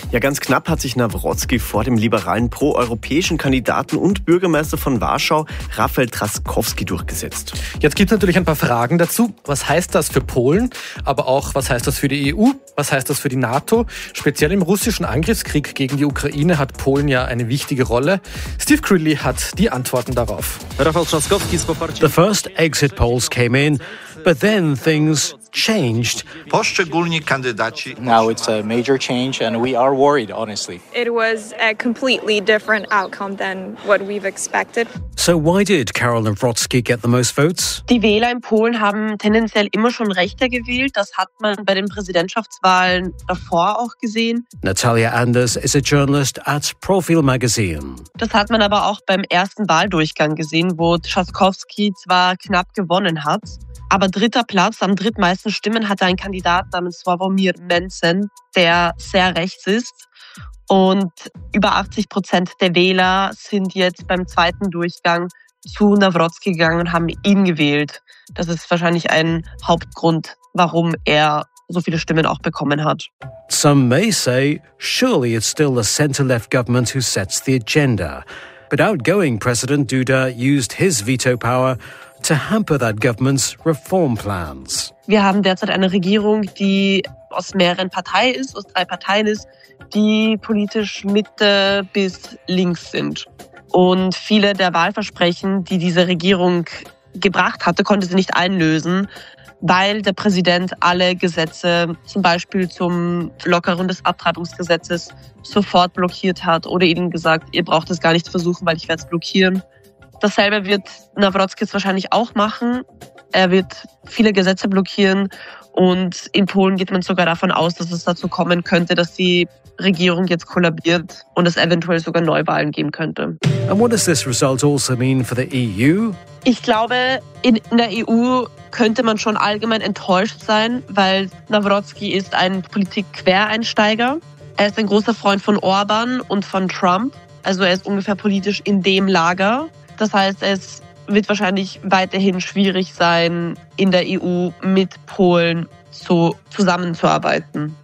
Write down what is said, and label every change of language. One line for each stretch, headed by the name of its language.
German: Ja, ganz knapp hat sich Nawrocki vor dem liberalen proeuropäischen Kandidaten und Bürgermeister von Warschau, Rafał Trzaskowski, durchgesetzt. Jetzt gibt es natürlich ein paar Fragen dazu. Was heißt das für Polen? Aber auch, was heißt das für die EU? Was heißt das für die NATO? Speziell im russischen Angriffskrieg gegen die Ukraine hat Polen ja eine wichtige Rolle. Steve Crilly hat die Antworten darauf. Rafał Trzaskowski ist
English: The first exit polls came in, but then things changed. Now it's a major change and we are worried, honestly. It was a completely different outcome than what we've expected. So why did Karol Nawrocki get the most votes?
German: Die Wähler in Polen haben tendenziell immer schon rechter gewählt. Das hat man bei den Präsidentschaftswahlen davor auch gesehen.
English: Natalia Anders is a journalist at Profil Magazine.
German: Das hat man aber auch beim ersten Wahldurchgang gesehen, wo Trzaskowski zwar knapp gewonnen hat, aber dritter Platz, am drittmeisten Stimmen hatte ein Kandidat namens Sławomir Mentzen, der sehr rechts ist. Und über 80% der Wähler sind jetzt beim zweiten Durchgang zu Nawrocki gegangen und haben ihn gewählt. Das ist wahrscheinlich ein Hauptgrund, warum er so viele Stimmen auch bekommen hat.
English: Some may say, surely it's still the center-left government who sets the agenda. But outgoing President Duda used his veto power to hamper that government's reform plans.
German: Wir haben derzeit eine Regierung, die aus mehreren Parteien ist, aus drei Parteien ist, die politisch Mitte bis links sind. Und viele der Wahlversprechen, die diese Regierung gebracht hatte, konnte sie nicht einlösen, weil der Präsident alle Gesetze, zum Beispiel zum Lockerung des Abtreibungsgesetzes, sofort blockiert hat oder ihnen gesagt, ihr braucht es gar nicht zu versuchen, weil ich werde es blockieren. Dasselbe wird Nawrocki wahrscheinlich auch machen. Er wird viele Gesetze blockieren und in Polen geht man sogar davon aus, dass es dazu kommen könnte, dass die Regierung jetzt kollabiert und es eventuell sogar Neuwahlen geben könnte.
English: And what does this result also mean for the EU?
German: Ich glaube, in der EU könnte man schon allgemein enttäuscht sein, weil Nawrocki ist ein Politik-Quereinsteiger. Er ist ein großer Freund von Orban und von Trump. Also er ist ungefähr politisch in dem Lager. Das heißt, es wird wahrscheinlich weiterhin schwierig sein, in der EU mit Polen so zusammenzuarbeiten.